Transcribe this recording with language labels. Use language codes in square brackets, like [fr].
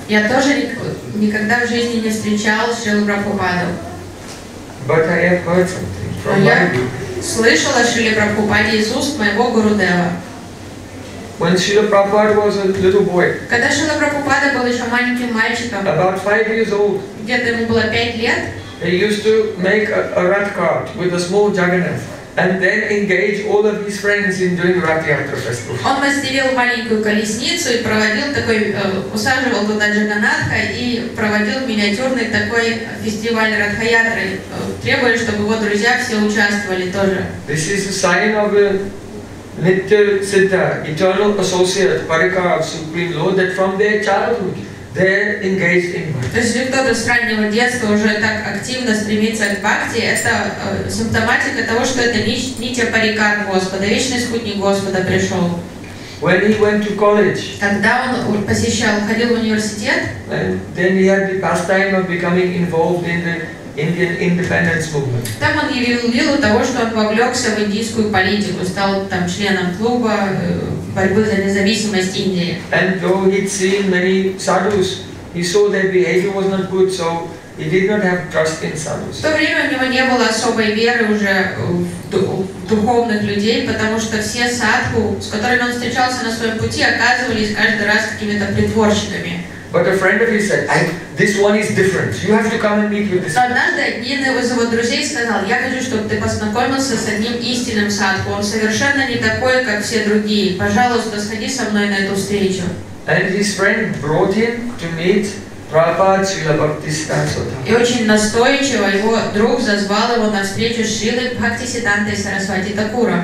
[ru] Я тоже никогда в жизни не встречал Шрилу Прабхупаду. [en] But I have heard something from my guru. [ru] Слышал о Шриле Прабхупаде из уст моего гурудева. [en] When Srila Prabhupada was a little boy. [ru] Когда Шрила Прабхупада был еще маленьким мальчиком. [en] About 5 years old. [ru] Где-то ему было 5 лет. [en] He used to make a rat cart with a small jagannath. And then engage all of his friends in doing Rath Yatra festival. [ru] Он мастерил маленькую колесницу и проводил такой, усаживал туда Джаганатха и проводил миниатюрный такой фестиваль Ратха Ятры, требуя, чтобы его друзья все участвовали тоже. [en] This is a sign of a Nitya Siddha, eternal associate, Parikar of Supreme Lord, that from their childhood they're engaged in bhakti. [ru] То есть, если кто-то с раннего детства уже так активно стремится к бхакти, это симптоматика того, что это нитья парикар Господа, вечный спутник Господа пришел. [en] When he went to college, [ru] когда он посещал, ходил в университет, [en] then he had the pastime of becoming involved in the Indian independence movement. [ru] Там он явил того, что он вовлекся в индийскую политику, стал там членом клуба борьбы за независимость Индии. [en] And though he'd seen many sadhus, he saw their behavior was not good, so he did not have trust in sadhus. [ru] В то время у него не было особой веры уже в духовных людей, потому что все садху, с которыми он встречался на своем пути, оказывались каждый раз какими-то притворщиками. [en] But a friend of his said, "This one is different. You have to come and meet with this." [ru] Однажды один из его друзей сказал, "Я хочу, чтобы ты познакомился с одним истинным садху. Он совершенно не такой, как все другие. Пожалуйста, сходи со мной на эту встречу." [en] And his friend brought him to meet Prabhupada Srila Bhaktisiddhanta Sarasvati. [ru] И очень настойчиво его друг зазвал его на встречу с Шрилой Бхактисиддхантой Сарасвати Такуром.